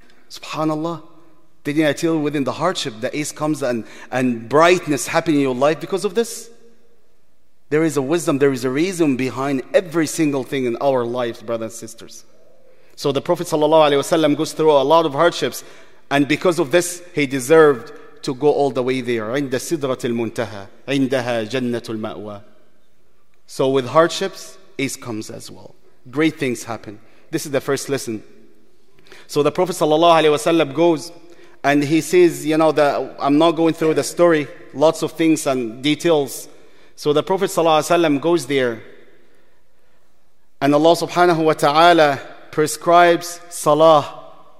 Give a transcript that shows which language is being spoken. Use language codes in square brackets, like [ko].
[en] SubhanAllah, didn't I tell you within the hardship, the ace comes and brightness happens in your life because of this? There is a wisdom, there is a reason behind every single thing in our lives, brothers and sisters. So the Prophet sallallahu alaihi wasallam goes through a lot of hardships, and because of this, he deserved to go all the way there. [ar] عند سدرة المنتهى عندها جنة المأوى. [en] So with hardships, ease comes as well. Great things happen. This is the first lesson. So the Prophet sallallahu alaihi wasallam goes, and he says, you know, that I'm not going through the story, lots of things and details. So the Prophet sallallahu alaihi wasallam goes there, and Allah subhanahu wa ta'ala prescribes salah.